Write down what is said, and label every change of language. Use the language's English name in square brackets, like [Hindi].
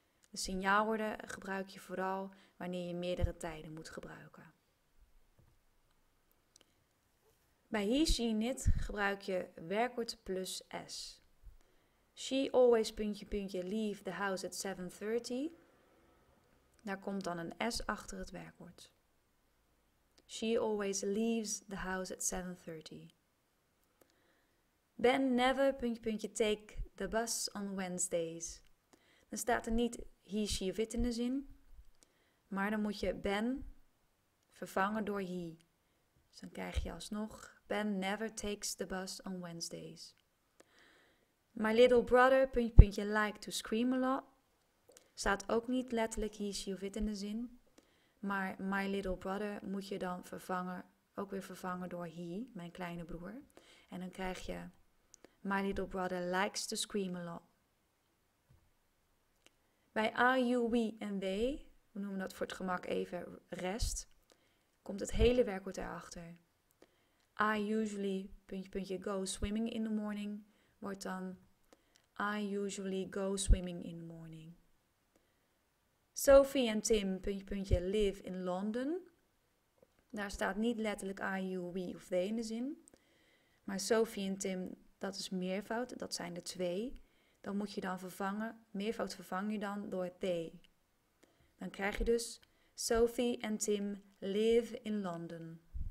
[Dutch] De signaalwoorden gebruik je vooral wanneer je meerdere tijden moet gebruiken. Bij he, she, it gebruik je werkwoord plus s. [English] She always [Dutch] puntje puntje [English] leave the house at 7:30. [Dutch] Daar komt dan een s achter het werkwoord. [English] She always leaves the house at 7:30. Ben never [Dutch] puntje puntje [English] take the bus on Wednesdays. [Dutch] Dan staat er niet he, she of it in de zin. Maar dan moet je Ben vervangen door he. Dus dan krijg je alsnog [English] Ben never takes the bus on Wednesdays. My little brother [Dutch] puntje puntje [English] like to scream a lot. [Dutch] Staat ook niet letterlijk he, she of it in de zin. Maar [English] my little brother [Dutch] moet je dan vervangen, ook weer vervangen door he, mijn kleine broer. En dan krijg je [English] my little brother likes to scream a lot. [Dutch] Bij I, you, we en they, we noemen dat voor het gemak even rest, komt het hele werkwoord erachter. [English] I usually [Dutch] puntje puntje [English] go swimming in the morning [Dutch] wordt dan [English] I usually go swimming in the morning. Sophie en Tim [Dutch] puntje puntje [English] live in London. [Dutch] Daar staat niet letterlijk I, you, we of they in de zin. Maar Sophie en Tim, dat is meervoud, dat zijn de twee. Dan moet je dan vervangen, meervoud vervang je dan door they. Dan krijg je dus Sophie en Tim [English] live in London.